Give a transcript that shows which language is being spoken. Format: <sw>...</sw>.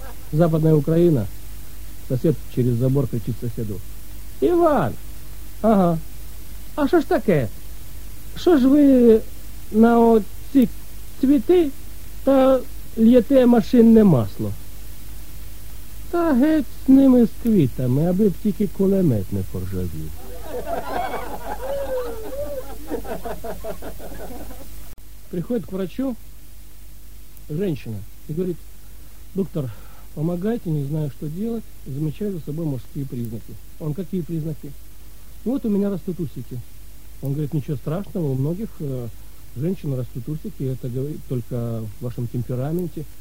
<ru>Западная Украина. Сосед через забор кричит соседу: Иван! Ага, а что ж такое? Что ж вы на</ru> <uk>ці цвіти та л'єте машинне масло. Та геть з ними, з квітами, аби б тільки кулемет не поржавів.</uk> <ru>Приходить к врачу женщина и говорит: доктор, помогайте, не знаю, что делать, замечаю за собой мужские признаки. Он: какие признаки? Вот у меня растут усики. Он говорит: ничего страшного, у многих женщин растут усики, это говорит только в вашем темпераменте.</ru>